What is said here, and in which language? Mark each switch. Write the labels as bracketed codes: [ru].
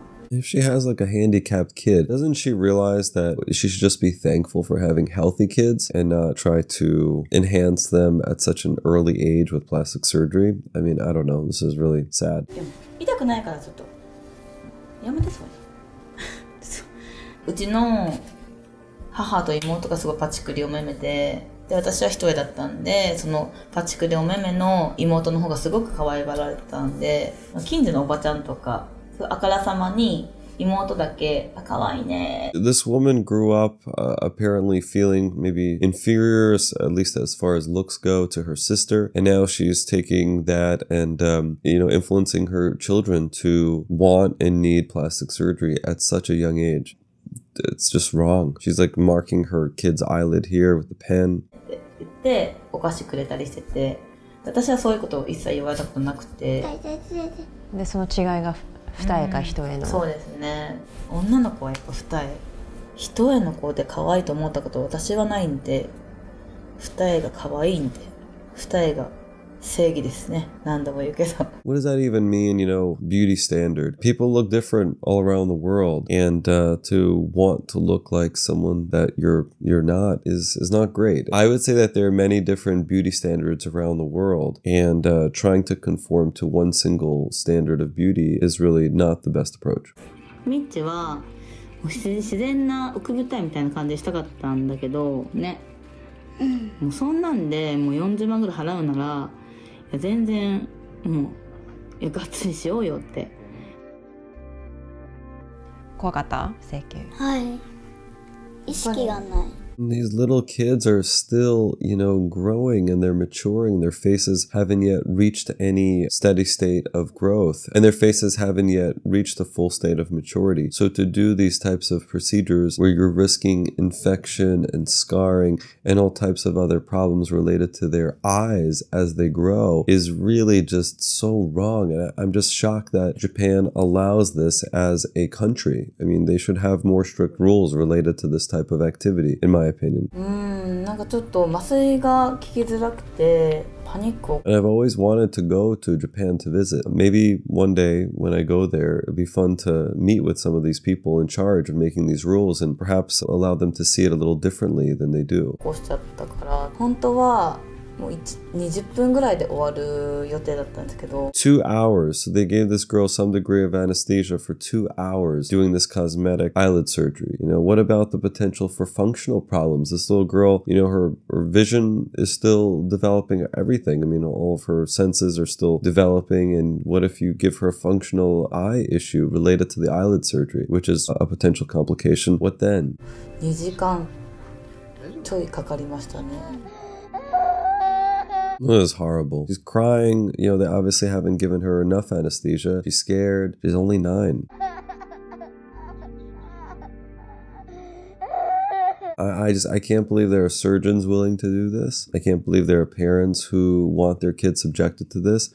[en] If she has like a handicapped kid, doesn't she realize that she should just be thankful for having healthy kids and not try to enhance them at such an early age with plastic surgery? I mean, I don't know. This is really sad. [ja] でも、痛くないからちょっと。やめてそれ。うちの母と妹がすごいパチクリお目目で。で私は一重だったんでそのパチクでお目目の妹の方がすごく可愛がられたんで近所のおばちゃんとかあからさまに妹だけ可愛いね [en] This woman grew up apparently feeling maybe inferior at least as far as looks go to her sister and now she's taking that and you know influencing her children to want and need plastic surgery at such a young ageIt's just wrong. She's like marking her kid's eyelid here with the pen. [ja] で、お菓子くれたりしてて、私はそういうことを一切言われたことなくて。で、その違いが二重か一重の。そうですね。女の子はやっぱ二重。一重の子で可愛いと思ったこと私はないんで、二重が可愛いんで、二重が。 [en] What does that even mean, you know, beauty standard? People look different all around the world, and to want to look like someone that you're not is not great. I would say that there are many different beauty standards around the world, and trying to conform to one single standard of beauty is really not the best approach. [ja] ミッチは自然な奥二重みたいな感じしたかったんだけど、ね。もうそんなんで、もう40万ぐらい払うなら、全然もうガッツリしようよって怖かった整形はい意識がない [en] These little kids are still, you know, growing and they're maturing. Their faces haven't yet reached any steady state of growth. And their faces haven't yet reached a full state of maturity. So to do these types of procedures where you're risking infection and scarring and all types of other problems related to their eyes as they grow is really just so wrong. And I'm just shocked that Japan allows this as a country. I mean, they should have more strict rules related to this type of activity. In my opinion. [ja] なんかちょっと麻酔が効きづらくてパニックを。 [en] And I've always wanted to go to Japan to visit. Maybe one day when I go there, it'd be fun to meet with some of these people in charge of making these rules and perhaps allow them to see it a little differently than they do. [ja] こうしちゃったから本当はもう20分ぐらいで終わる予定だったんですけど。 [en] Two hours. So they gave this girl some degree of anesthesia for 2 hours doing this cosmetic eyelid surgery. You know, what about the potential for functional problems? This little girl, you know, her vision is still developing everything. I mean, all of her senses are still developing. And what if you give her a functional eye issue related to the eyelid surgery, which is a potential complication? What then? [ja] 2時間ちょいかかりましたね。 [en] It was horrible. She's crying. You know, they obviously haven't given her enough anesthesia. She's scared. She's only 9. I can't believe there are surgeons willing to do this. I can't believe there are parents who want their kids subjected to this.